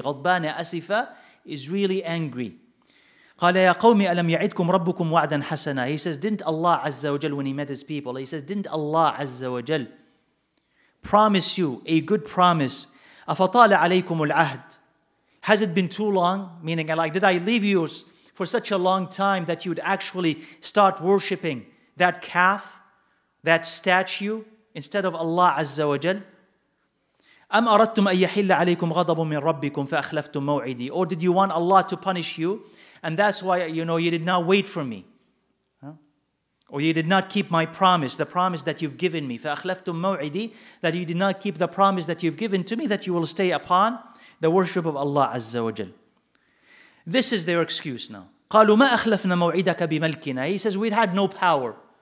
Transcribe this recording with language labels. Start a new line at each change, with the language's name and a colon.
Arabic: غَضْبَانَ أَسِفَ
English: is really angry.
Arabic: قَالَ يَا قَوْمِ أَلَمْ يَعِدْكُمْ رَبُّكُمْ وَعْدًا حَسَنًا
English: He says, didn't Allah Azza wa Jal, when he met his people, he says, didn't Allah Azza wa Jal promise you a good promise?
Arabic: أَفَطَالَ عَلَيْكُمُ الْعَهْدِ
English: Has it been too long? Meaning, like, did I leave you for such a long time that you would actually start worshipping that calf, that statue, instead of Allah Azza wa Jal?
Arabic: أَمْ أَرَدْتُمْ أَن يَحِلَّ عَلَيْكُمْ غَضَبٌ مِّن رَبِّكُمْ فَأَخْلَفْتُمْ مَوْعِدِي
English: Or did you want Allah to punish you? And that's why, you know, you did not wait for me. Huh? Or you did not keep my promise, the promise that you've given me.
Arabic: فَأَخْلَفْتُمْ مَوْعِدِي
English: That you did not keep the promise that you've given to me, that you will stay upon the worship of Allah Azza wa Jal. This is their excuse now.
Arabic: قَالُوا مَا أَخْلَفْنَا مَوْعِدَكَ بِمَلْكِنَا
English: He says, we'd had no power.